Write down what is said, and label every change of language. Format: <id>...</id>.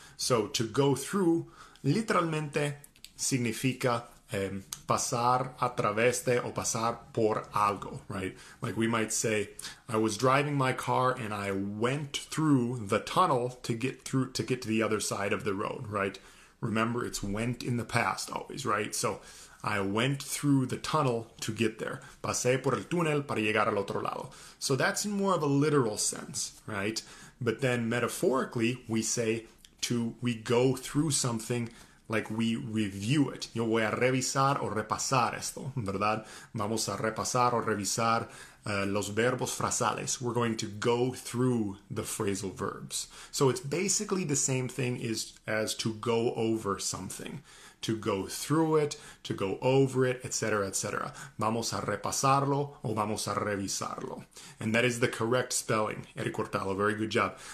<en>So to go through</en> <es>literalmente significa pasar a través de o pasar por algo, right?</es> <en>Like we might say, I was driving my car and I went through the tunnel to get to the other side of the road, right? Remember, it's went in the past always, right? So I went through the tunnel to get there.</en> <es>Pasé por el túnel para llegar al otro lado.</es> <en>So that's in more of a literal sense, right? But then metaphorically, we say we go through something like we review it.</en> <es>Yo voy a revisar o repasar esto, ¿verdad? Vamos a repasar o revisar los verbos frasales.</es> <en>We're going to go through the phrasal verbs. So it's basically the same thing as to go over something. To go through it, to go over it, etc., etc.</en> <es>Vamos a repasarlo o vamos a revisarlo.</es> <en>And that is the correct spelling, Eric Hurtado. Very good job.</en>